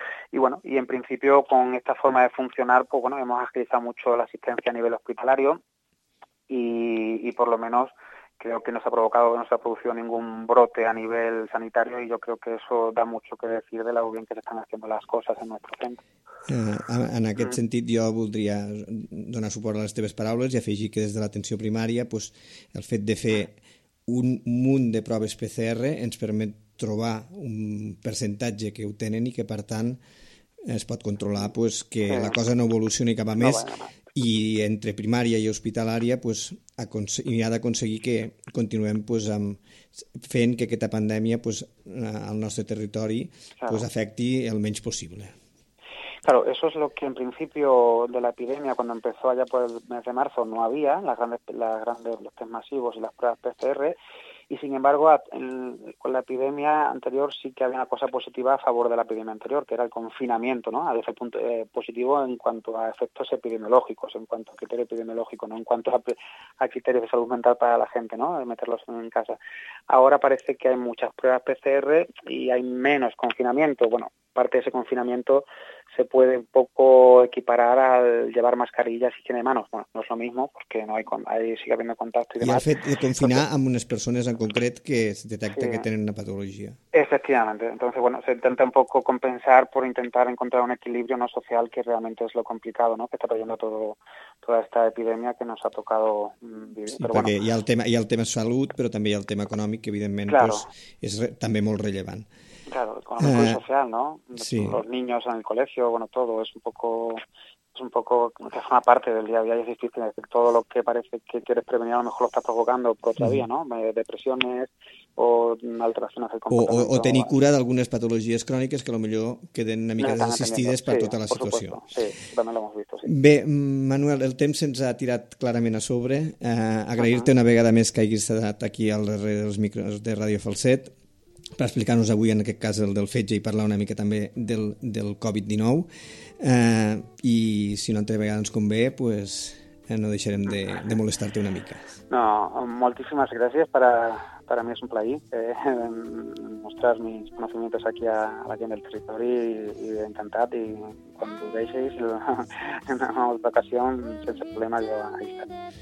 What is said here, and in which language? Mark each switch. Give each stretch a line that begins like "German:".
Spanish: Y bueno, y en principio con esta forma de funcionar, pues bueno, hemos agilizado mucho la asistencia a nivel hospitalario y por lo menos creo que no se ha producido ningún brote a nivel sanitario y yo creo que eso da mucho que decir de lo bien que se están haciendo las cosas en nuestro centro.
Catalan: En aquest sentit, jo voldria donar suport a les teves paraules i afegir que des de l'atenció primària, pues, el fet de fer un munt de proves PCR ens permet trobar un percentatge que ho tenen i que, per tant, es pot controlar pues, que la cosa no evolucioni cap a més. I entre primària i hospitalària pues, hi ha d'aconseguir que continuem pues, fent que aquesta pandèmia pues, al nostre territori pues, afecti el menys possible.
Spanish: Claro, eso es lo que en principio de la epidemia, cuando empezó allá por el mes de marzo, no había, los tests masivos y las pruebas PCR, y sin embargo con la epidemia anterior sí que había una cosa positiva a favor de la epidemia anterior, que era el confinamiento, ¿no? A ese punto positivo en cuanto a efectos epidemiológicos, en cuanto a criterio epidemiológico, no en cuanto a criterios de salud mental para la gente, ¿no? De meterlos en casa. Ahora parece que hay muchas pruebas PCR y hay menos confinamiento. Bueno, parte de ese confinamiento se puede un poco equiparar al llevar mascarillas y higiene de manos. Bueno, no es lo mismo porque no hay, sigue habiendo contacto y demás.
Catalan: I el fet de confinar amb unes persones en concret que es detecta sí. Que tenen una patologia.
Spanish: Efectivamente. Entonces, bueno, se intenta un poco compensar por intentar encontrar un equilibrio no social, que realmente es lo complicado, ¿no? Que está trayendo toda esta epidemia que nos ha tocado vivir.
Catalan: Sí, però perquè bueno. hi ha el tema salut, però també hi ha el tema econòmic, que evidentment
Spanish: claro.
Catalan: Pues, és també molt rellevant.
Spanish: Claro, económico y social, ¿no? Sí. Los niños en el colegio, bueno, todo es un poco que es una parte del día a día, es difícil, es decir, todo lo que parece que quieres prevenir a lo mejor lo estás provocando por otra vía, ¿no? Depresiones o alteraciones del comportamiento.
Catalan: O tenir cura d'algunes patologies cròniques que a lo millor queden una mica desassistides per sí, tota la situació. Supuesto. Sí, també l'hem vist, sí. Bé, Manuel, el temps se'ns ha tirat clarament a sobre. Agrair-te una vegada més que haguis estat aquí al darrere dels micros de Ràdio Falset per explicar-nos avui, en aquest cas, el del fetge i parlar una mica també del Covid-19. I si una altra vegada ens convé, pues, no deixarem de molestar-te una mica. No, moltíssimes gràcies.
Spanish: Para mí es un plaer mostrar mis conocimientos aquí a la
Catalan: gent del territori i encantat. I quan ho deixis, en una altra ocasió, sense problema, jo hi estaré.